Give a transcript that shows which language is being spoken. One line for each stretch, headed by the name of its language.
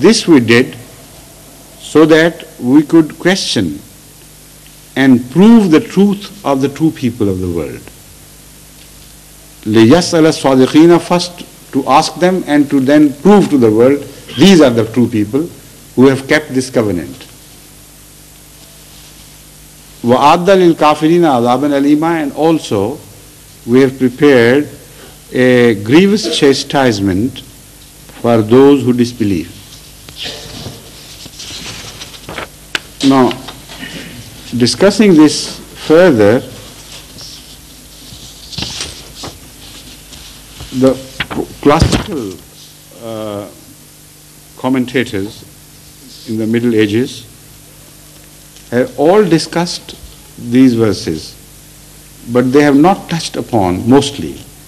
English: This we did so that we could question and prove the truth of the true people of the world.
Arabic: لِيَسْأَلَ الصَّادِقِينَ,
English: first to ask them and to then prove to the world, these are the true people who have kept this covenant.
Arabic: وَعَدَّ لِلْكَافِرِينَ عَذَابًا أَلِيمًا.
English: And also we have prepared a grievous chastisement for those who disbelieve. Now, discussing this further, the classical commentators in the Middle Ages have all discussed these verses, but they have not touched upon, mostly.